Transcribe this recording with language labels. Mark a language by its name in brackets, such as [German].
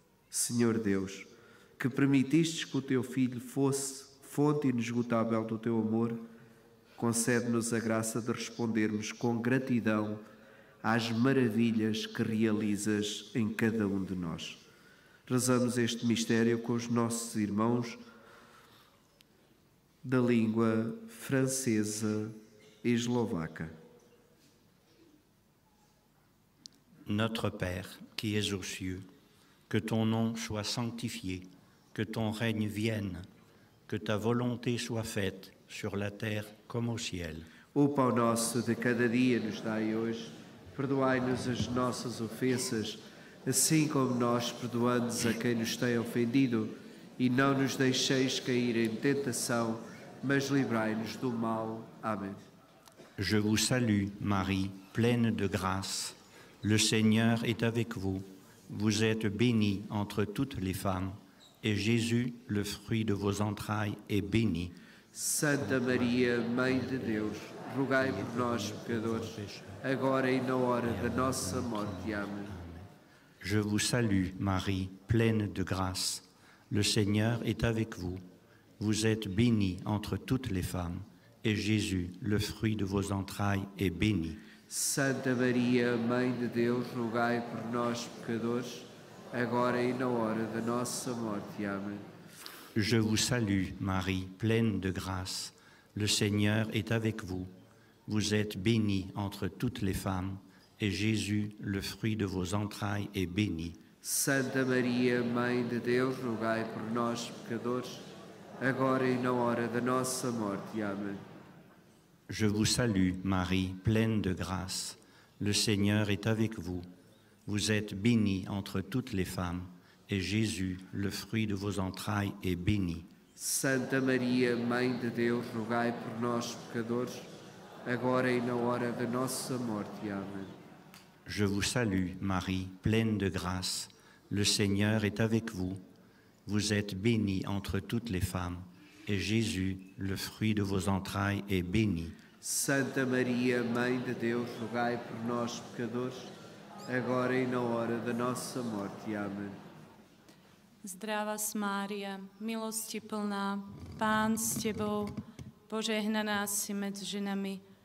[Portuguese] Senhor Deus, que permitistes que o teu filho fosse fonte inesgotável do teu amor, concede-nos a graça de respondermos com gratidão às maravilhas que realizas em cada um de nós. Rezamos este mistério com os nossos irmãos da língua francesa e eslovaca. [French] Notre Père, qui es aux cieux, que ton nom soit sanctifié, que ton règne vienne, que ta volonté soit faite sur la terre comme au ciel. [Portuguese] O pão nosso de cada dia nos dai hoje, perdoai-nos as nossas ofensas, assim como nós perdoamos a quem nos tem ofendido, e não nos deixeis cair em tentação, mas livrai-nos do mal. Amém. [French] Je vous salue, Marie, pleine de grâce. Le Seigneur est avec vous. Vous êtes bénie entre toutes les femmes, et Jésus, le fruit de vos entrailles, est béni. [Portuguese] Santa Maria, Mãe de Deus, rogai por nós, pecadores, agora e na hora da nossa morte. Amém. [French] Je vous salue, Marie, pleine de grâce. Le Seigneur est avec vous. Vous êtes bénie entre toutes les femmes, et Jésus, le fruit de vos entrailles, est béni. [Portuguese] Santa Maria, Mãe de Deus, rogai por nós, pecadores, agora e na hora da nossa morte. Amém. [French] Je vous salue, Marie, pleine de grâce. Le Seigneur est avec vous. Vous êtes bénie entre toutes les femmes, et Jésus, le fruit de vos entrailles, est béni. [Portuguese] Santa Maria, Mãe de Deus, rogai por nós, pecadores, agora e na hora da nossa morte. Amém. [French] Je vous salue, Marie, pleine de grâce. Le Seigneur est avec vous. Vous êtes bénie entre toutes les femmes, et Jésus, le fruit de vos entrailles, est béni. [Portuguese] Santa Maria, Mãe de Deus, rogai por nós, pecadores, agora e na hora da nossa morte. Amém. [French] Je vous salue, Marie, pleine de grâce. Le Seigneur est avec vous. Vous êtes bénie entre toutes les femmes, et Jésus, le fruit de vos entrailles, est béni. [Portuguese] Santa Maria, Mãe de Deus, rogai por nós, pecadores, agora e na hora da nossa morte. Amém. [Slovak] Zdravas, Maria, milosti plná, Pán s Tebou, požehnaná si medzi ženami,